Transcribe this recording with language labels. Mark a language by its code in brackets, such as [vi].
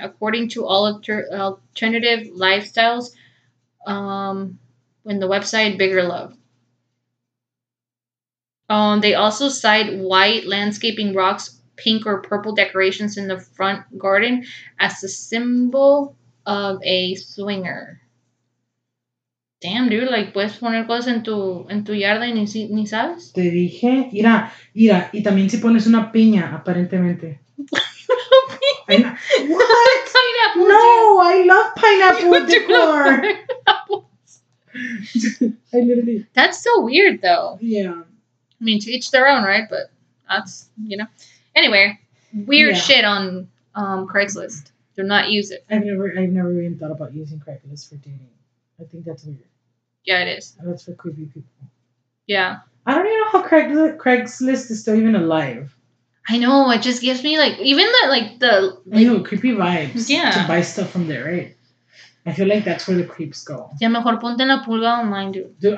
[en] According to all alternative lifestyles, in the website Bigger Love. They also cite white landscaping rocks, pink or purple decorations in the front garden as a symbol of a swinger. Damn, dude, like, [es] puedes poner cosas en tu yarda y ni sabes? Te dije, mira, y también si pones una piña, aparentemente. [en] What? Pineapple. No, I love pineapple decor. I literally. That's so weird, though. Yeah. I mean, to each their own, right? But that's, you know. Anyway, weird shit on Craigslist. Do not use it. I've never even thought about using Craigslist for dating. I think that's weird. Yeah, it is. That's for creepy people. Yeah. I don't even know how Craigslist is still even alive. I know. It just gives me, like, even the, like, the... Ew, like, creepy vibes. Yeah. To buy stuff from there, right? I feel like that's where the creeps go. Yeah, [es] mejor ponte en la pulga online, dude.